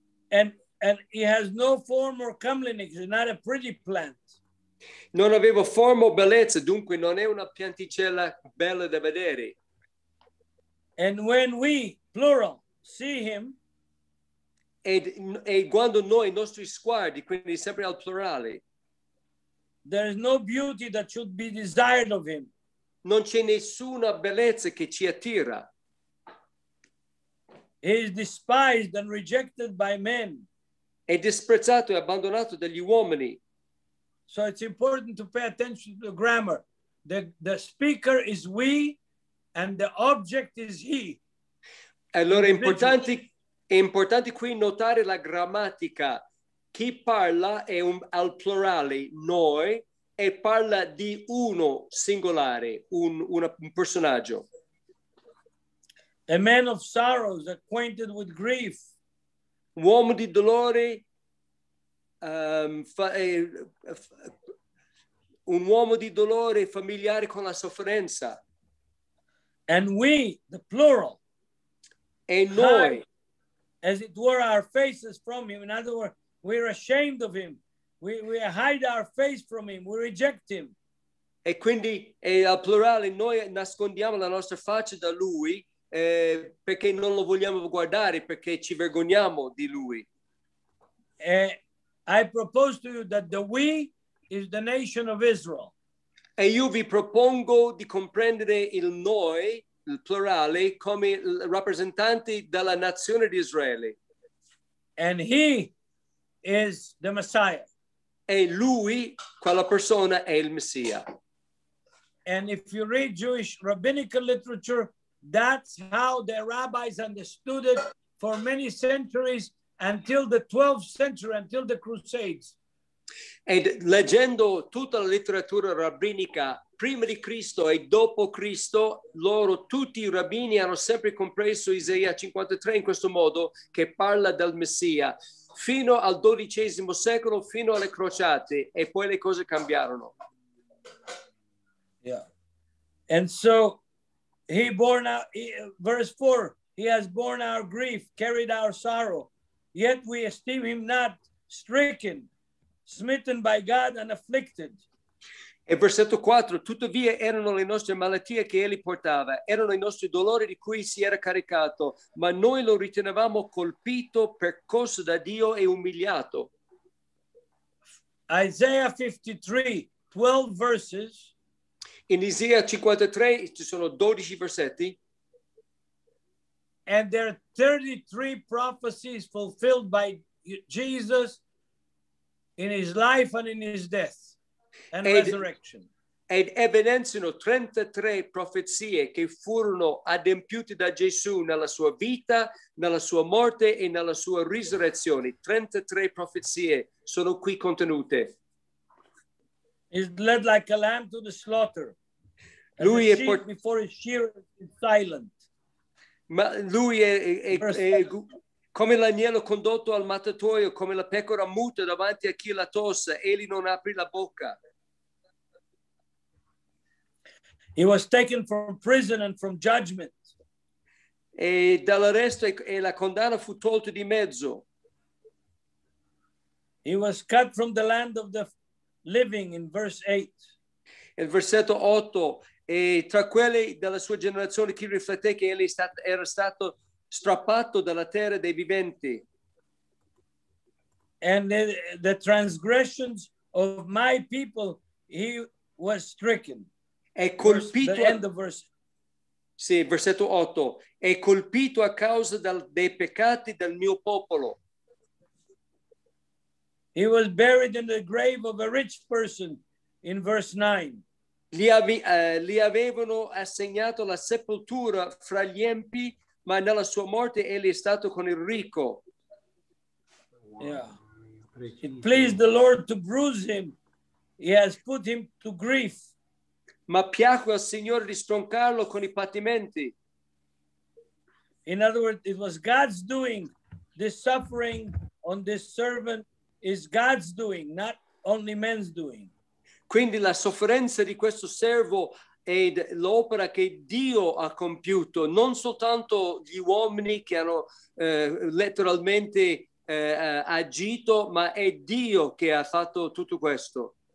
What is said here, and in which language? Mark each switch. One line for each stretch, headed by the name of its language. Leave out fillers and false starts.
English: And he has no form or comeliness, not a pretty plant.
Italian: Non aveva forma o bellezza, dunque non è una pianticella bella da vedere.
English: And when we, plural, see him.
Italian: E quando noi, i nostri sguardi, quindi sempre al plurale.
English: There is no beauty that should be desired of him.
Italian: non c'è nessuna bellezza che ci attira.
English: He is despised and rejected by men.
Italian: È disprezzato e abbandonato dagli uomini.
English: So it's important to pay attention to the grammar. The speaker is we and the object is he.
Italian: Allora è importante qui notare la grammatica. Chi parla è al plurale, noi, e parla di uno singolare, un personaggio.
English: A man of sorrows, acquainted with grief.
Italian: Uomo di dolore, un uomo di dolore familiare con la sofferenza.
English: And we, the plural.
Italian: E noi.
English: As it were, our faces from him. In other words, we're ashamed of him. We hide our face from him. We reject him.
Italian: E quindi, al plurale, noi nascondiamo la nostra faccia da lui perché non lo vogliamo guardare, perché ci vergogniamo di lui.
English: I propose to you that the we is the nation of Israel.
Italian: E io vi propongo di comprendere il noi, il plurale, come rappresentanti della nazione di Israele.
English: And he is the Messiah.
Italian: E lui, quella persona, è il Messia.
English: And if you read Jewish rabbinical literature, that's how the rabbis understood it for many centuries until the 12th century, until the Crusades.
Italian: And leggendo tutta la letteratura rabbinica prima di Cristo e dopo Cristo, loro tutti i rabbini hanno sempre compreso Isaia 53 in questo modo, che parla del Messia, fino al XII secolo, fino alle crociate, e poi le cose cambiarono. Yeah. And so he born our, verse 4, he has borne our grief, carried our sorrow, yet we esteem him not stricken, smitten by God and afflicted. E versetto 4, tuttavia erano le nostre malattie che egli portava, erano i nostri dolori di cui si era caricato, ma noi lo ritenevamo colpito, percosso da Dio e umiliato.
English: Isaiah 53, 12 verses.
Italian: In Isaia 53 ci sono 12 versetti.
English: And there are 33 prophecies fulfilled by Jesus in his life and in his death and resurrection.
Italian: Ed evidenziano 33 profezie che furono adempiute da Gesù nella sua vita, nella sua morte e nella sua risurrezione. 33 profezie sono qui contenute.
English: He's led like a lamb to the slaughter.
Italian: Lui
English: the sheep before his shearers is silent.
Italian: Ma lui è come l'agnello condotto al mattatoio, come la pecora muta davanti a chi la tosse, egli non aprì la bocca.
English: He was taken from prison and from judgment.
Italian: E dall'arresto e la condanna fu tolto di mezzo.
English: He was cut from the land of the living in verse 8.
Italian: Il versetto 8, e tra quelli della sua generazione chi riflette che egli era stato strappato dalla terra dei viventi.
English: And the transgressions of my people he was stricken.
Italian: È colpito,
English: the end of verse.
Italian: Sì, versetto 8. È colpito a causa dei peccati del mio popolo.
English: He was buried in the grave of a rich person in verse 9.
Italian: Li avevano assegnato la sepoltura fra gli empi, ma nella sua morte egli è stato con il ricco.
English: Yeah. It pleased the Lord to bruise him. He has put him to grief.
Italian: Ma piacque al Signore di stroncarlo con i patimenti.
English: In other words, it was God's doing. This suffering on this servant is God's doing, not only man's doing.
Italian: Quindi la sofferenza di questo servo ed l'opera che Dio ha compiuto, non soltanto gli uomini che hanno letteralmente agito, ma è Dio che ha fatto tutto questo.